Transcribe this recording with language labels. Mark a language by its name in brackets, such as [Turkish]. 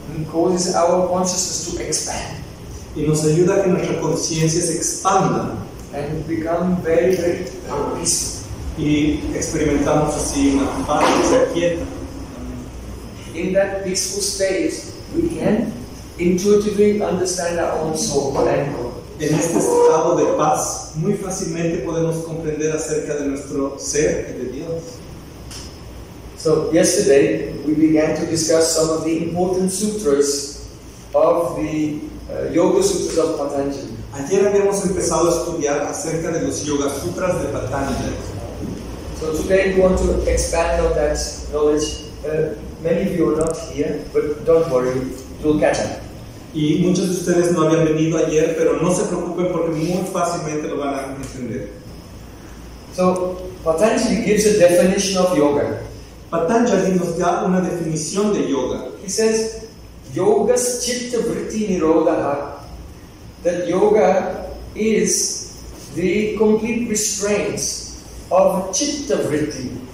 [English] causes our consciousness to expand. [Spanish] Y nos ayuda a que nuestra conciencia se expanda. [English] And become very, very peaceful. [Spanish] Y experimentamos así una paz quieta. [English] In that peaceful state, we can intuitively understand our own soul and God. [Spanish] En este estado de paz, muy fácilmente podemos comprender acerca de nuestro ser y de Dios. [English] So yesterday we began to discuss some of the important sutras of the Yoga Sutras of Patanjali. [Spanish] Ayer habíamos empezado a estudiar acerca de los Yoga Sutras de Patanjali. [English] So today we want to expand on that knowledge. Many of you are not here, but don't worry, you'll catch up. [Spanish] Y muchos de ustedes no habían venido ayer, pero no se preocupen porque muy fácilmente lo van a entender. [English] So Patanjali gives a definition of yoga. [Spanish] Patanjali nos da una definición de yoga. [English] He says, [Sanskrit] yogas chitta vritti nirodha, [English] that yoga is the complete restraint of chitta vritti.